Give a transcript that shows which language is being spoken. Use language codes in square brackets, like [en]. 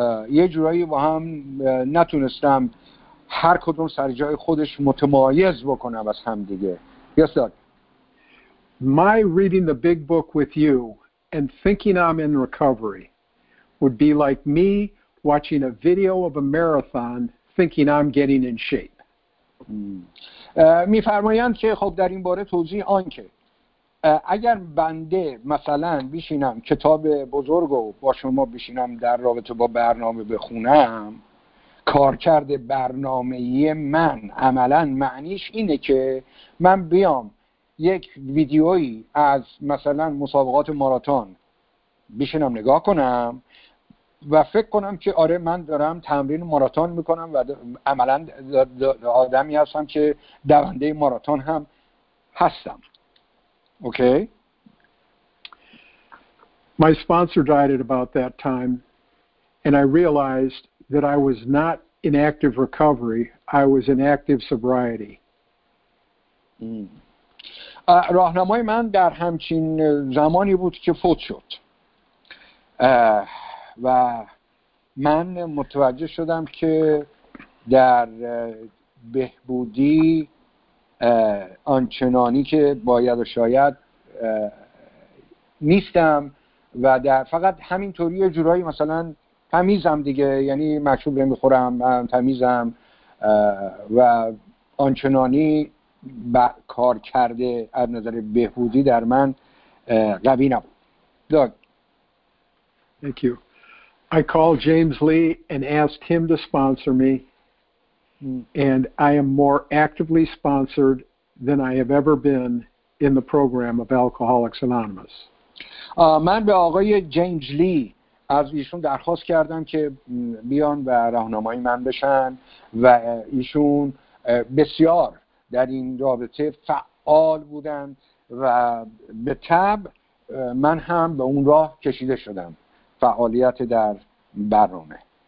[fa] یه جورایی با هم نتونستم هر کدوم سر جای خودش متمایز بکنم از هم دیگه. [en] Yes, Doug. My reading the big book with you and thinking I'm in recovery would be like me watching a video of a marathon thinking I'm getting in shape. [fa] میفرمایند که خب در این باره توضیح آن که اگر بنده مثلا بشینم کتاب بزرگو با شما بشینم در رابطه با برنامه بخونم، کارکرد برنامه‌ای من عملا معنیش اینه که من بیام یک ویدیویی از مثلا مسابقات ماراتون بشینم نگاه کنم و فکر کنم که آره من دارم تمرین ماراتون میکنم و عملا آدمی هستم که دونده ماراتون هم هستم. اوکی. [en] My sponsor died at about that time and I realized that I was not in active recovery, I was in active sobriety. [fa] راهنمای من در همچین زمانی بود که فوت شد و من متوجه شدم که در بهبودی آنچنانی که باید و شاید نیستم و در فقط همینطوری یه جورایی مثلا تمیزم دیگه، یعنی مشروب نمیخورم، من تمیزم و آنچنانی کار کرده از نظر بهبودی در من قوی نبود. داد. [en] Thank you. I called James Lee and asked him to sponsor me. And I am more actively sponsored than I have ever been in the program of Alcoholics Anonymous. [fa] من به آقای جیمز لی از ایشون درخواست کردم که بیان و راهنمای من بشن و ایشون بسیار در این رابطه فعال بودن و به تبع من هم به اون راه کشیده شدم، فعالیت در برنامه.